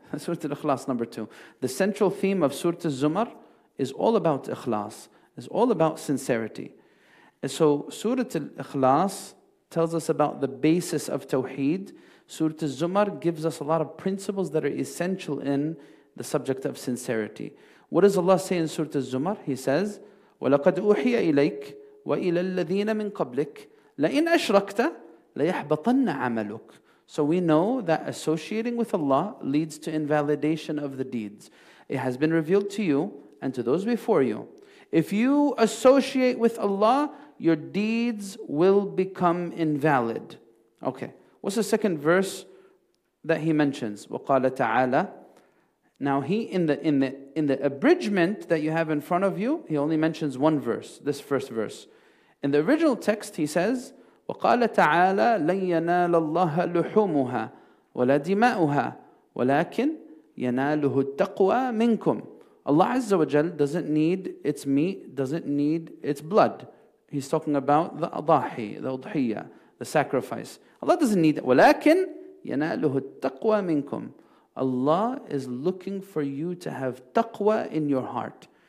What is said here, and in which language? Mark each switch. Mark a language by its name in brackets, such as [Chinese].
[English] Surat al-Ikhlas number 2. The central theme of Surat al-Zumar is all about ikhlas, is all about sincerity. And so Surat al-Ikhlas tells us about the basis of Tawheed. Surah Az-Zumar gives us a lot of principles that are essential in the subject of sincerity. What does Allah say in Surah Az-Zumar? He says, [Arabic] وَلَقَدْ أُوحِيَ إِلَيْكَ وَإِلَى الَّذِينَ مِنْ قَبْلِكَ لَإِنْ أَشْرَكْتَ لَيَحْبَطَنَّ عَمَلُكَ. [English] So we know that associating with Allah leads to invalidation of the deeds. It has been revealed to you and to those before you. If you associate with Allah, your deeds will become invalid. Okay, what's the second verse that he mentions? [Arabic] وَقَالَ تَعَالَى. [English] Now he, in the abridgment that you have in front of you, he only mentions one verse, this first verse. In the original text, he says, [Arabic] وَقَالَ تَعَالَى لَنْ يَنَالَ اللَّهَ لُحُومُهَا وَلَا دِمَاؤُهَا وَلَكِنْ يناله التقوى منكم. [English] Allah Azza wa Jal doesn't need its meat, doesn't need its blood. He's talking about the adahi, the udhiyya, the sacrifice. Allah doesn't need it. [Arabic] ولكن يناله التقوى منكم. [English] Allah is looking for you to have taqwa in your heart.